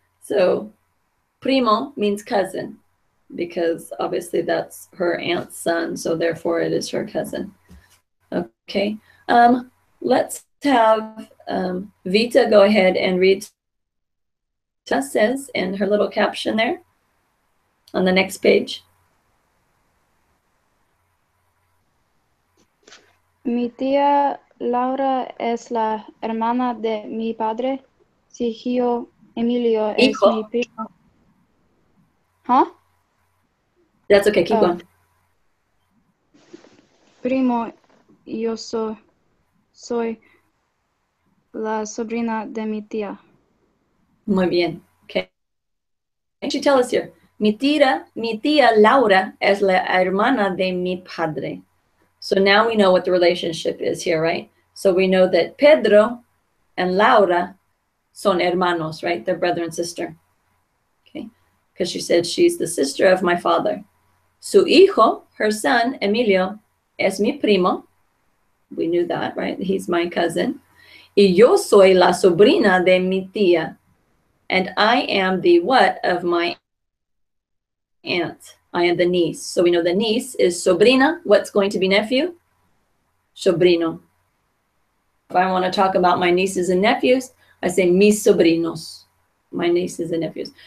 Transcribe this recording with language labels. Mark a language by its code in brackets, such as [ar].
[en] So, primo means cousin, because obviously that's her aunt's son, so therefore it is her cousin. Okay. Let's have Vita go ahead and read what Vita says in her little caption there on the next page. [es] Mi tía Laura es la hermana de mi padre. Sigio Emilio hijo. Es mi primo. Huh? [en] That's okay, keep going. [es] Primo, yo soy la sobrina de mi tía. Muy bien. [en] Okay. Can you tell us here? [es] Mi tía Laura es la hermana de mi padre. [en] So now we know what the relationship is here, right? So we know that Pedro and Laura [es] son hermanos, [en] right? They're brother and sister. Okay. Because she said she's the sister of my father. [es] Su hijo, [en] her son, Emilio, [es] es mi primo. [en] We knew that, right? He's my cousin. [es] Y yo soy la sobrina de mi tía. [en] And I am the what of my aunt. I am the niece. So we know the niece is sobrina. What's going to be nephew? Sobrino. If I want to talk about my nieces and nephews, I say mis sobrinos, my nieces and nephews.